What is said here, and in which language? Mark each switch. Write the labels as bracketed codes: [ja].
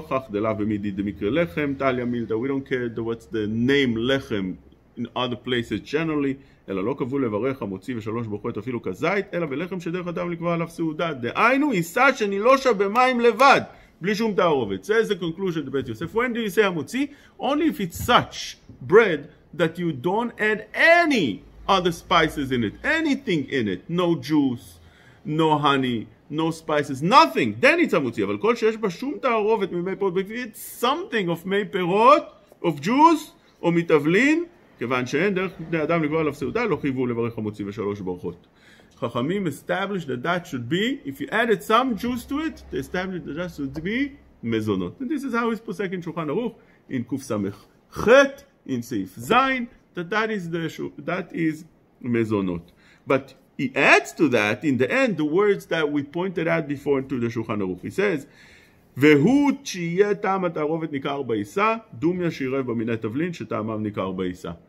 [en] We don't care what's the name lechem in other places generally. [he] אלא לא קבו לברך המוציא ושלוש ברכות אפילו כזית, אלא בלחם שדרך אדם לקבוע עליו סעודה. דהיינו, עיסה שנילושה במים לבד, בלי שום תערובת. זה איזה [en] conclusion to Bet Yosef. When do you say המוציא? Only if it's such bread that you don't add any other spices in it, anything in it, no juice, no honey, no spices, nothing. Then it's המוציא. [he] אבל כל שיש בה שום תערובת ממי פירות, [en] if it's something of [he] מי פירות, [en] of juice, [he] או מתבלין, כיוון שאין דרך בני אדם לקבוע עליו סעודה, לא חייבו לברך המוציא ושלוש ברכות. [en] חכמים established that that should be, if you added some juice to it, they established that that should be mezonot. And this is how it's posek in Shulchan Aruch, in Kuf Samech Chet, in Seif Zayin, that is mezonot. But he adds to that, in the end, the words that we pointed out before into the Shulchan Aruch. He says, [he] והוא שיהיה טעם התערובת ניכר בעיסה, דומיה שירב במיני תבלין שטעמם ניכר בעיסה.